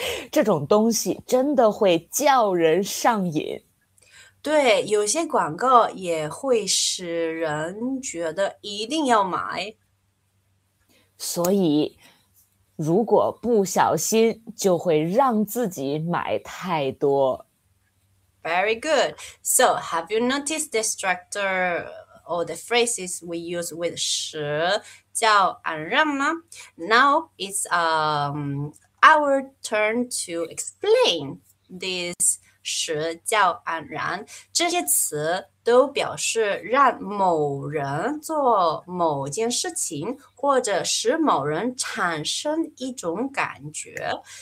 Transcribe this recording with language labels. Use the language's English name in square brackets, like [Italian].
[Chinese] 这种东西真的会叫人上瘾。对，有些广告也会使人觉得一定要买。所以如果不小心就会让自己买太多。 [English] Very good. So, have you noticed the structure or the phrases we use with 时叫안让吗? Now it's our turn to explain this 时叫안让。 [Chinese] 这些词都表示让某人做某件事情，或者使某人产生一种感觉。